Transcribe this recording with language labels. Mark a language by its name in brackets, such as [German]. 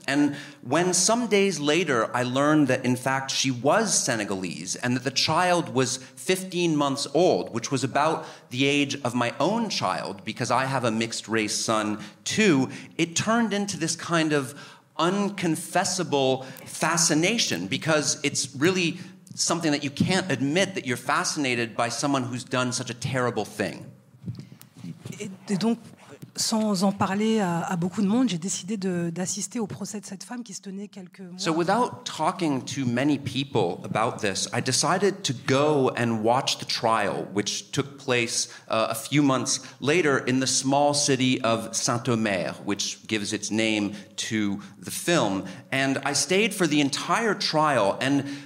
[English] And when some days later I learned that, in fact, she was Senegalese and that the child was 15 months old, which was about the age of my own child, because I have a mixed-race son too, it turned into this kind of unconfessable fascination, because it's really something that you can't admit that you're fascinated by someone who's done such a terrible thing. [French] Et donc, sans en parler à beaucoup de monde, j'ai décidé d'assister au procès de cette femme qui se tenait quelques mois. [English] So without talking to many people about this, I decided to go and watch the trial, which took place a few months later in the small city of Saint-Omer, which gives its name to the film. And I stayed for the entire trial, and